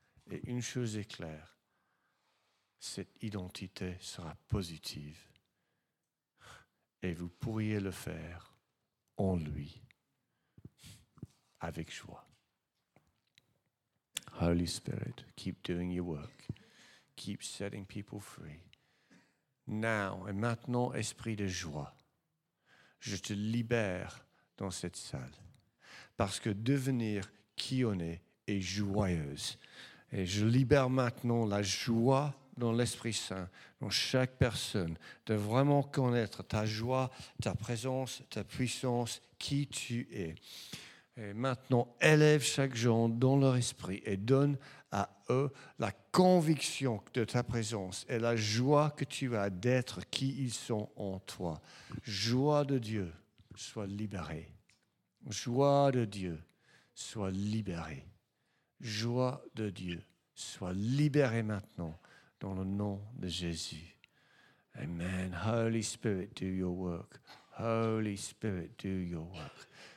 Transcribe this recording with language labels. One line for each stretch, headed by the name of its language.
French: Et une chose est claire, cette identité sera positive. Et vous pourriez le faire en lui, avec joie.
English: Holy Spirit, keep doing your work. Keep setting people free.
French: Now, et maintenant, esprit de joie, je te libère dans cette salle, parce que devenir qui on est joyeuse. Et je libère maintenant la joie dans l'Esprit Saint, dans chaque personne, de vraiment connaître ta joie, ta présence, ta puissance, qui tu es. Et maintenant, élève chaque jour dans leur esprit et donne à eux la conviction de ta présence et la joie que tu as d'être qui ils sont en toi. Joie de Dieu. Sois libéré. Joie de Dieu, sois libéré. Joie de Dieu, sois libéré maintenant dans le nom de Jésus. Amen.
English: Holy Spirit, do your work. Holy Spirit, do your work.